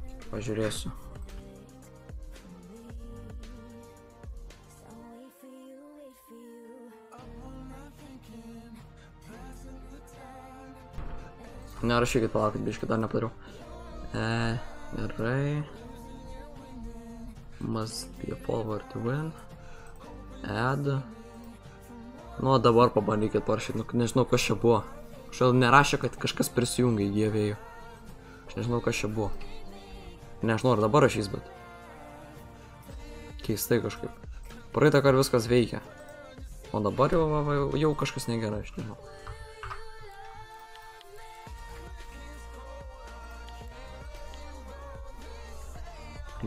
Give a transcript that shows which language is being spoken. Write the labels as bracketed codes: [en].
[lt] Pažiūrėsiu. Nerašykit, palaukit, biškį dar nepadariau. Gerai. [en] Must be a follower to win. Add. [lt] Nu, dabar pabandykit parašyti, nu, nežinau, kas čia buvo. Šiandien nerašė, kad kažkas prisijungia į gyvėjų. Aš nežinau, kas čia buvo. Nežinau, ar dabar rašys, bet. Keistai kažkaip. Praeitą kartą viskas veikia. O dabar jau kažkas negera, aš nežinau.